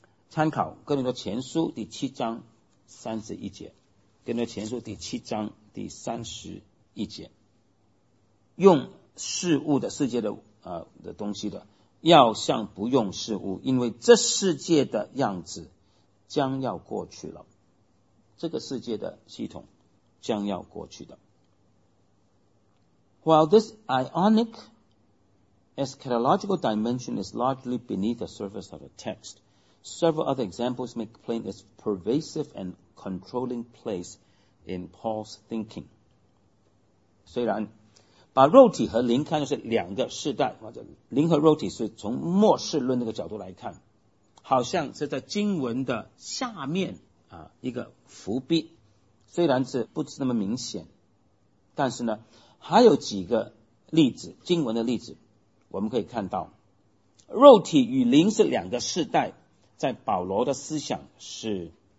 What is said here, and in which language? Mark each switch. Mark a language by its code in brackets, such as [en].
[zh] 参考哥林多前书第七章三十一节，哥林多前书第七章第三十一节，用事物的世界的的东西的，要像不用事物，因为这世界的样子将要过去了。这个世界的系统将要过去的。 [en] While this ionic eschatological dimension is largely beneath the surface of the text, several other examples make plain its pervasive and controlling place in Paul's thinking. [zh] 虽然把肉体和灵看成是两个世代，或者灵和肉体是从末世论那个角度来看，好像是在经文的下面一个伏笔，虽然是不是那么明显，但是呢还有几个例子，经文的例子我们可以看到，肉体与灵是两个世代，在保罗的思想是